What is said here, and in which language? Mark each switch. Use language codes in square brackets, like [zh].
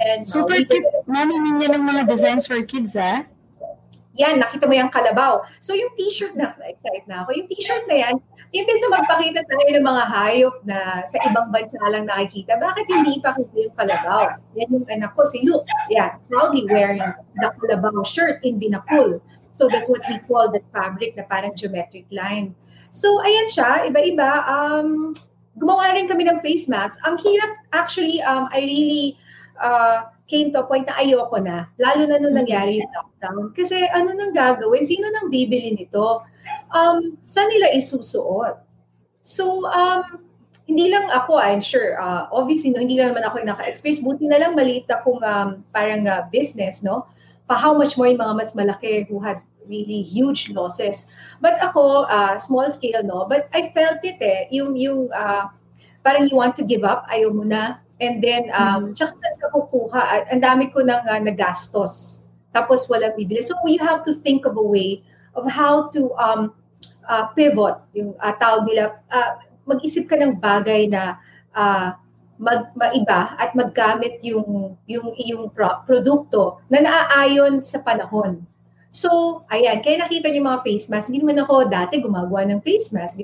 [en] And super cute. [tl] Mami, ninyo ng mga designs for kids, ha? Yan, nakita mo yung kalabaw. So yung t-shirt na, excited na ako. Yung t-shirt na yan, imbes na magpakita tayo ng mga hayop na sa ibang bansa lang nakikita, bakit hindi ipakita yung kalabaw? Yan yung anak ko, si Luke. [en] Yan, proudly wearing the kalabaw shirt in Binakul. So that's what we call that fabric na parang geometric line. [tl] So ayan siya, iba-iba. Gumawa rin kami ng face mask. Ang hirap, [en] actually, I really came to a point [tl] na ayoko na. Lalo na nung nangyari yung lockdown. Kasi ano nang gagawin? Sino nang bibili nito? Saan nila isusuot? So, hindi lang ako, [en] I'm sure, obviously, [tl] no, hindi lang naman ako yung naka-experience. Buti na lang maliit akong parang business, no? [en] Pa how much more [tl] yung mga mas malaki [en] who had really huge losses. But ako, small scale, no? But I felt it, eh. [tl] Yung parang [en] you want to give up, [tl] ayaw mo na. And then, tsaka saan ka kukuha? Ang dami ko nang nagastos. Tapos walang bibili. [en] So you have to think of a way of how to pivot. [tl] Yung tawag nila, mag-isip ka ng bagay na maiba at maggamit yung produkto na naaayon sa panahon. So, ayan, kaya nakita niyo yung mga face mask. Hindi naman ako dati gumagawa ng face mask.